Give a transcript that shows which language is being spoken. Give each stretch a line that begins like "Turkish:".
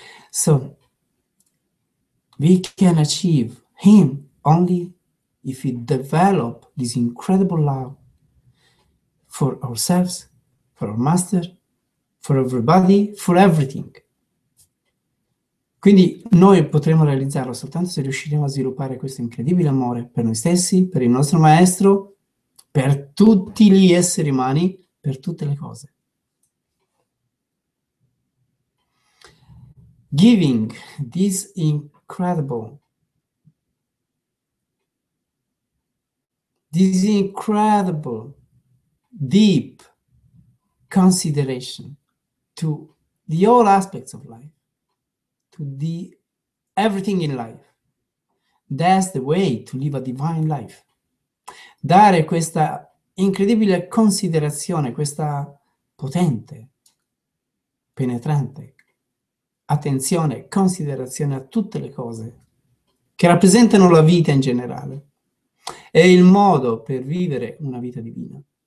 English: So, we can achieve him only if we develop this incredible love for ourselves, for our master, for everybody, for everything.
Italian: Quindi noi potremo realizzarlo soltanto se riusciremo a sviluppare questo incredibile amore per noi stessi, per il nostro maestro, per tutti gli esseri umani, per tutte le cose.
English: Giving this incredible, deep consideration to the all aspects of life. To the everything in life. That's the way to live a divine life.
Italian: Dare questa incredibile considerazione, questa potente, penetrante attenzione, considerazione a tutte le cose che rappresentano la vita in generale, è il modo per vivere una vita divina.